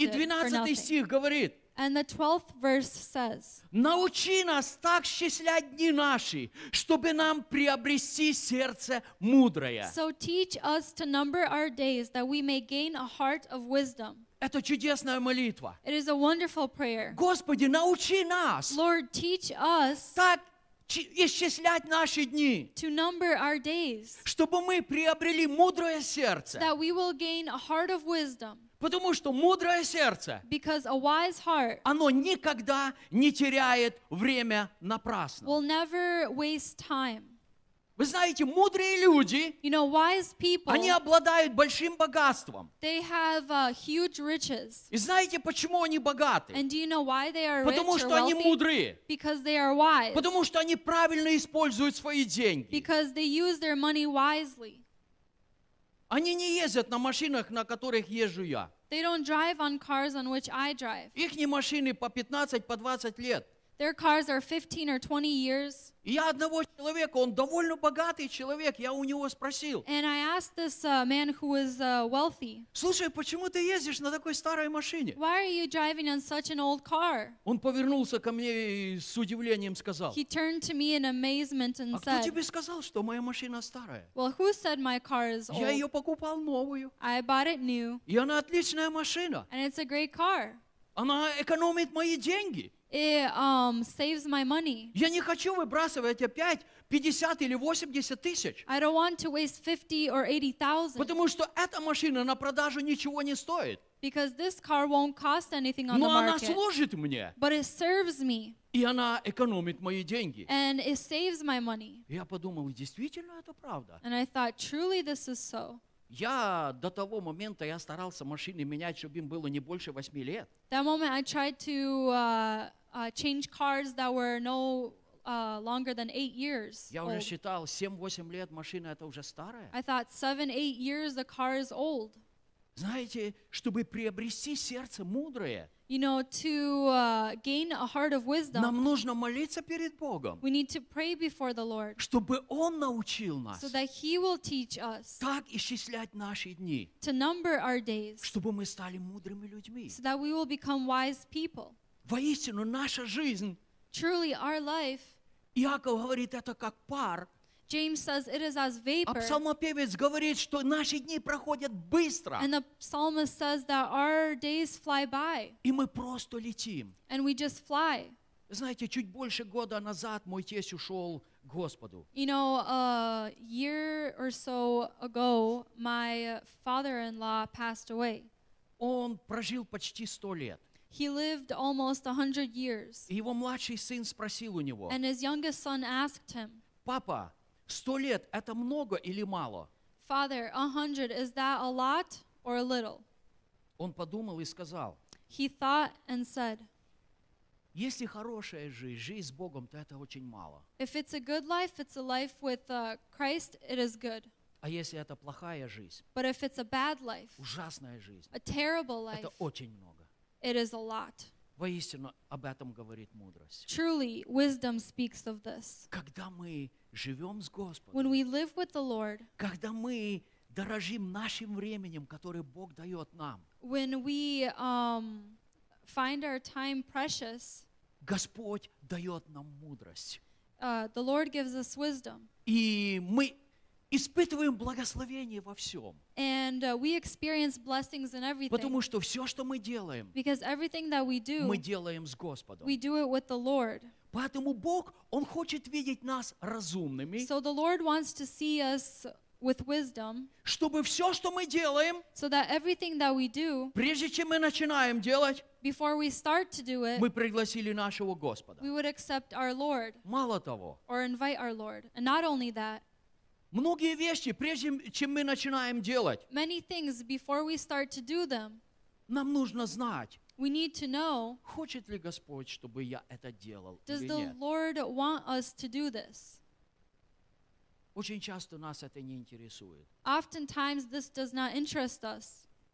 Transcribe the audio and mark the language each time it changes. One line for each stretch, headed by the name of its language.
Russian: И 12 стих говорит,
English: and the 12th verse says,
Russian: научи нас так счислять дни наши, чтобы нам приобрести сердце мудрое.
English: So teach us to number our days, that we may gain a heart of wisdom.
Russian: Это чудесная молитва.
English: It is a wonderful prayer.
Russian: Господи, научи нас,
English: Lord, teach us,
Russian: так исчислять наши дни,
English: to number our days,
Russian: чтобы мы приобрели мудрое сердце,
English: that we will gain a heart of wisdom.
Russian: Потому что мудрое сердце,
English: because a wise heart,
Russian: оно никогда не теряет время напрасно.
English: Will never waste time.
Russian: Вы знаете, мудрые люди,
English: you know, wise people,
Russian: они обладают большим богатством.
English: They have, huge riches.
Russian: И знаете, почему они богаты?
English: And do you know why they are
Russian: потому
English: rich
Russian: что они
English: wealthy?
Russian: Мудрые.
English: Because they are wise.
Russian: Потому что они правильно используют свои деньги.
English: Because they use their money wisely.
Russian: Они не ездят на машинах, на которых езжу я.
English: They don't drive on cars on which I drive.
Russian: Ихни машины по 15, по 20 лет.
English: Their cars are 15 or 20 years.
Russian: Я одного человека, он довольно богатый человек, я у него спросил.
English: And I asked this man who is wealthy.
Russian: Слушай, почему ты ездишь на такой старой машине?
English: Why are you driving on such an old car?
Russian: Он повернулся ко мне и с удивлением сказал.
English: He turned to me in amazement and
Russian: а
English: said.
Russian: А кто тебе сказал, что моя машина старая?
English: Well, who said my car is old?
Russian: Я ее покупал новую.
English: I bought it new.
Russian: И она отличная машина.
English: And it's a great car.
Russian: Она экономит мои деньги.
English: It saves my money.
Russian: Я не хочу выбрасывать опять 50 или 80 тысяч.
English: I don't want to waste 50 or 80,000.
Russian: Потому что эта машина на продажу ничего не стоит.
English: Because this car won't cost anything on
Russian: но
English: the market.
Russian: Но она служит мне.
English: But it serves me.
Russian: И она экономит мои деньги.
English: And it saves my money.
Russian: Я подумал, действительно это правда.
English: And I thought, truly this is so.
Russian: Я до того момента я старался машины менять, чтобы им было не больше 8 лет.
English: That moment I tried to change cars that were no longer than 8 years.
Russian: Я уже считал 7-8 лет машина это уже старая.
English: I thought 7-8 years the car is old.
Russian: Знаете, чтобы приобрести сердце мудрое,
English: you know, to gain a heart of wisdom,
Russian: нам нужно молиться перед Богом,
English: we need to pray before the Lord,
Russian: чтобы Он научил нас,
English: so that He will teach us,
Russian: так исчислять наши дни,
English: to number our days,
Russian: чтобы мы стали мудрыми людьми,
English: so that we will become wise people.
Russian: Воистину, наша жизнь,
English: truly our life,
Russian: Иаков говорит, это как пар.
English: James says it is as vapor.
Russian: А псалмопевец говорит, что наши дни проходят быстро.
English: And the psalmist says that our days fly by.
Russian: И мы просто летим.
English: And we just fly.
Russian: Знаете, чуть больше года назад мой тесть ушел к Господу.
English: You know, a year or so ago, my father-in-law passed away.
Russian: Он прожил почти 100 лет.
English: He lived almost 100 years.
Russian: Его младший сын спросил у него.
English: And his youngest son asked him.
Russian: Папа, 100 лет – это много или мало?
English: Father, 100, is that a lot or a little?
Russian: Он подумал и сказал.
English: He thought and said.
Russian: Если хорошая жизнь, жизнь с Богом, то это очень мало.
English: If it's a good life, it's a life with Christ, it is good.
Russian: А если это плохая жизнь?
English: But if it's a bad life,
Russian: ужасная жизнь,
English: a terrible life,
Russian: это очень много.
English: It is a lot.
Russian: Воистину, об этом говорит мудрость.
English: Truly, wisdom speaks of this.
Russian: Когда мы живем с Господом,
English: when we live with the Lord,
Russian: когда мы дорожим нашим временем, которое Бог дает нам,
English: when we find our time precious,
Russian: Господь дает нам мудрость.
English: The Lord gives us wisdom.
Russian: И мы испытываем благословение во всем.
English: And we experience blessings in everything.
Russian: Потому что все, что мы делаем,
English: because everything that we do,
Russian: мы делаем с Господом.
English: We do it with the Lord.
Russian: Поэтому Бог, Он хочет видеть нас разумными.
English: So the Lord wants to see us with wisdom.
Russian: Чтобы все, что мы делаем,
English: so that everything that we do,
Russian: прежде чем мы начинаем делать,
English: before we start to do it,
Russian: мы пригласили нашего Господа.
English: We would accept our Lord.
Russian: Мало того,
English: or invite our Lord. And not only that,
Russian: многие вещи, прежде чем мы начинаем делать,
English: many things before we start to do them,
Russian: нам нужно знать,
English: we need to know,
Russian: хочет ли Господь, чтобы я это делал или нет.
English: Does the Lord want us to do this?
Russian: Очень часто нас это не интересует.
English: Oftentimes this does not interest us.